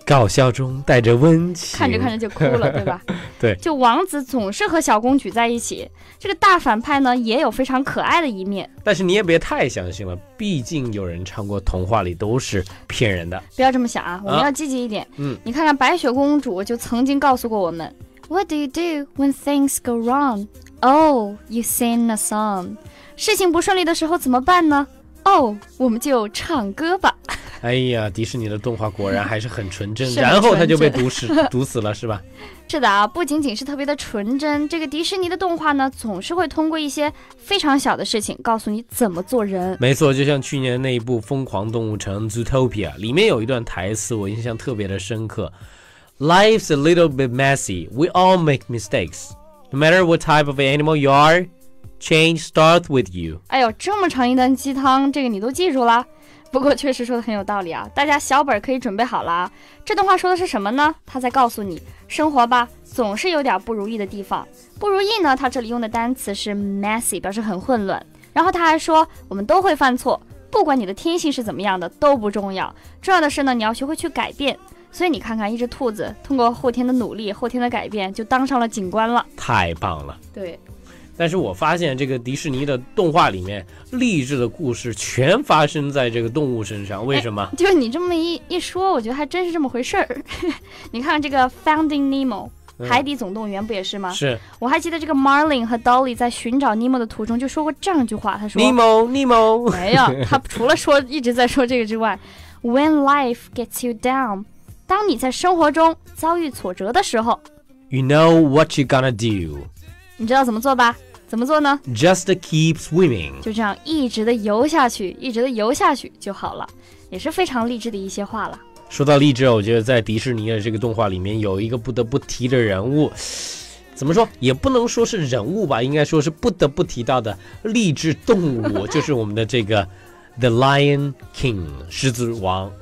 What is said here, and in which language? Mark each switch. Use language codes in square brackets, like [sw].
[zh] 搞笑中带着温情，看着看着就哭了，对吧？对，就王子总是和小公举在一起，这个大反派呢也有非常可爱的一面。但是你也别太相信了，毕竟有人唱过童话里都是骗人的。不要这么想啊，我们要积极一点。你看看白雪公主就曾经告诉过我们， [en] What do you do when things go wrong? Oh, you sing a song. [zh] 事情不顺利的时候怎么办呢？ Oh, 我们就唱歌吧。哎呀，迪士尼的动画果然还是很纯真，纯真，然后他就被毒死了，是吧？是的啊，不仅仅是特别的纯真，这个迪士尼的动画呢，总是会通过一些非常小的事情告诉你怎么做人。没错，就像去年那一部《疯狂动物城》Zootopia， 里面有一段台词我印象特别的深刻 ： [en] “Life's a little bit messy. We all make mistakes. No matter what type of animal you are, change starts with you.” [zh] 哎呦，这么长一段鸡汤，这个你都记住了？不过确实说的很有道理啊，大家小本可以准备好了啊。这段话说的是什么呢？他在告诉你，生活吧，总是有点不如意的地方。不如意呢，他这里用的单词是 messy， 表示很混乱。然后他还说，我们都会犯错，不管你的天性是怎么样的都不重要，重要的是呢，你要学会去改变。所以你看看，一只兔子通过后天的努力，后天的改变，就当上了警官了。太棒了。对。但是我发现这个迪士尼的动画里面励志的故事全发生在这个动物身上，为什么？哎，就你这么一说，我觉得还真是这么回事儿。你看这个 Finding Nemo，海底总动员不也是吗？是。我还记得这个 Marlin 和 Dolly 在寻找 Nemo 的途中就说过这样一句话，他说 Nemo Nemo，没有，他除了说一直在说这个之外， [en] When life gets you down， [zh] 当你在生活中遭遇挫折的时候， [en] You know what you're gonna do， [zh] 你知道怎么做吧？怎么做呢？ [en] Just keep swimming， [zh] 就这样一直的游下去，一直的游下去就好了，也是非常励志的一些话了。说到励志，我觉得在迪士尼的这个动画里面有一个不得不提的人物，怎么说也不能说是人物吧，应该说是不得不提到的励志动物，就是我们的这个The Lion King， 狮子王。